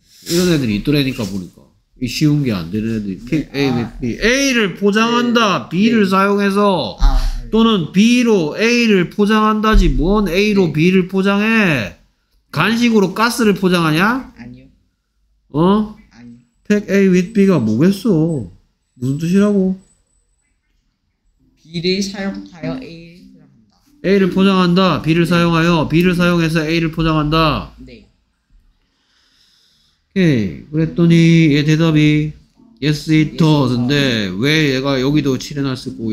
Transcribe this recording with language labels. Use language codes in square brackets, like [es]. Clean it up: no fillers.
[ko] 이런 애들이 있더라니까 보니까. 쉬운 게 안 되는 애들이 네, A with B. A를 포장한다. 네, B를 네. 사용해서 아, 네. 또는 B로 A를 포장한다지 뭔 A로 네. B를 포장해? 간식으로 가스를 포장하냐? 아니요. 어? 아니. Pack A with B가 뭐겠어? 무슨 뜻이라고? B를 사용하여 A를 포장한다. A를 포장한다. B를 네. 사용하여 B를 사용해서 A를 포장한다. 네. 오케이. 그랬더니 얘 대답이 [en] Yes, it does. [ko] 근데 왜 얘가 여기도 칠해놨을까?